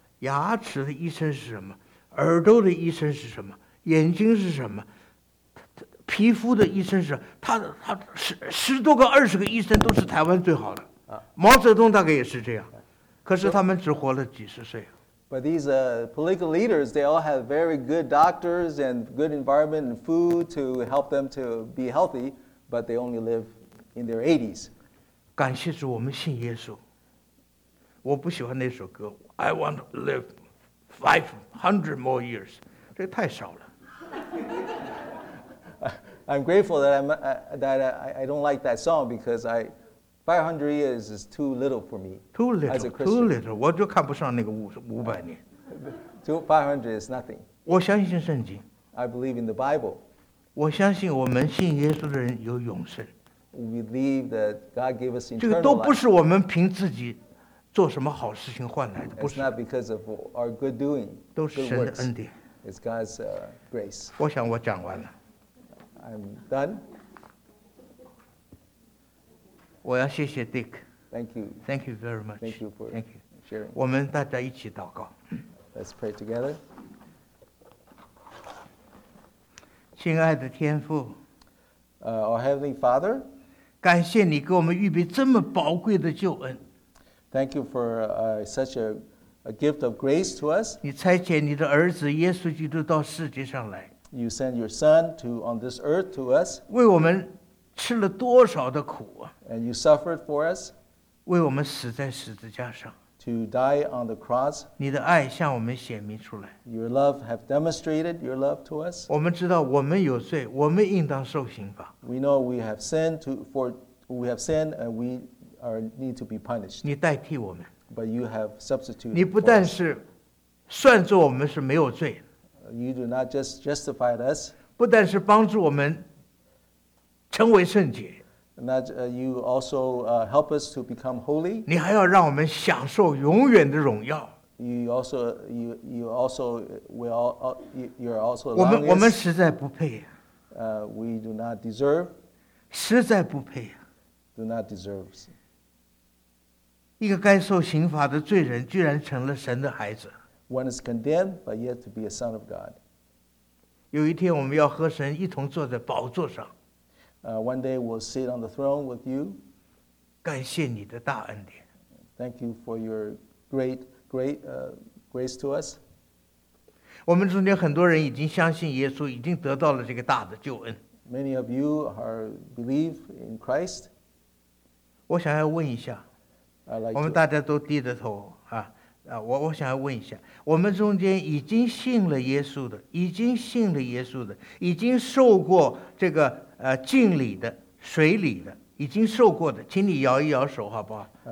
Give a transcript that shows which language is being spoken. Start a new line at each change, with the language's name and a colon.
Chinese: 牙齿的医生是什么？耳朵的医生是什么？眼睛是什么？皮肤的医生是他，他十多个二十个医生都是台湾最好的。毛泽东大概也是这样，可是他们只活了几十岁。
English: But these political leaders, they all have very good doctors and good environment and food to help them to be healthy, but they only live in their 80s.
Chinese: 感谢主，我们信耶稣。我不喜欢那首歌 ，
English: I want to live 500 more years.
Chinese: 这太少了。
English: I'm grateful that I don't like that song because I 500 years is too little for me. Too little, too little.
Chinese: 我就看不上那个500年。
English: 500 is nothing.
Chinese: 我相信圣经。
English: I believe in the Bible.
Chinese: 我相信我们信耶稣的人有永生。
English: We believe that God gave us eternal
Chinese: life. 这个都不是我们凭自己。做什么好事情换来的？不是。
English: It's not because of our good doing.
Chinese: 都是神的恩典。
English: It's God's grace.
Chinese: 我想我讲完了。
English: I'm done.
Chinese: 我要谢谢 Dick.
English: Thank you. Thank you very much. Thank you for Thank you. sharing.
Chinese: 我们大家一起祷告。
English: Let's pray together.
Chinese: 亲爱的天父。
English: Our Heavenly Father.
Chinese: 感谢你给我们预备这么宝贵的救恩。
English: Thank you for such a gift of grace to us.
Chinese: 你差遣你的儿子耶稣基督到世界上来。
English: You sent your son to on this earth to us.
Chinese: 为我们吃了多少的苦啊。
English: And you suffered for us.
Chinese: 为我们死在十字架上。
English: To die on the cross.
Chinese: 你的爱向我们显明出来。
English: Your love have demonstrated your love to us.
Chinese: 我们知道我们有罪，我们应当受刑罚。
English: We know we have sinned and we Or need to be punished.
Chinese: 你代替我们。
English: But you have substituted.
Chinese: 你不但是算作我们是没有罪。
English: You do not just justify us.
Chinese: 不但是帮助我们成为圣洁。
English: You also help us to become holy.
Chinese: 你还要让我们享受永远的荣耀。我们实在不配。
English: We do not deserve.
Chinese: 实在不配。
English: Do not deserve.
Chinese: 一个该受刑罚的罪人，居然成了神的孩子。
English: One is condemned, but yet to be a son of God.
Chinese: 有一天，我们要和神一同坐在宝座上。
English: One day we'll sit on the throne with you.
Chinese: 感谢你的大恩典。
English: Thank you for your grace to us.
Chinese: 我们中间很多人已经相信耶稣，已经得到了这个大的救恩。
English: Many of you are believe in Christ.
Chinese: 我想要问一下。
English: Like、
Chinese: 我们大家都低着头啊啊！我想要问一下，我们中间已经信了耶稣的，已经信了耶稣的，已经受过这个敬礼的、水礼的，已经受过的，请你摇一摇手好不好？